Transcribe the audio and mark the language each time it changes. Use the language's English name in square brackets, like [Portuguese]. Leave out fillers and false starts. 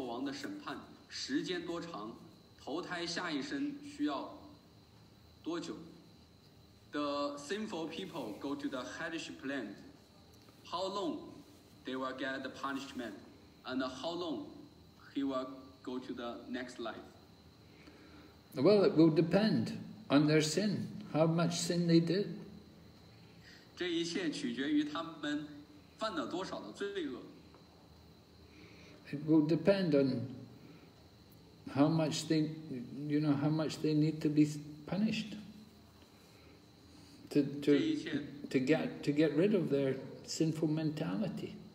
[Chinese] 罪恶的人去地狱接受阎罗王的审判，时间多长？投胎下一生需要多久? [English] The sinful people go to the hellish plan. How long they will get the punishment? And how long he will go to the next life? Well, it will depend on their sin, how much sin they did. [Chinese] 这一切取决于他们犯了多少的罪恶。 [English] It will depend on how much they need to be punished to get rid of their sinful mentality.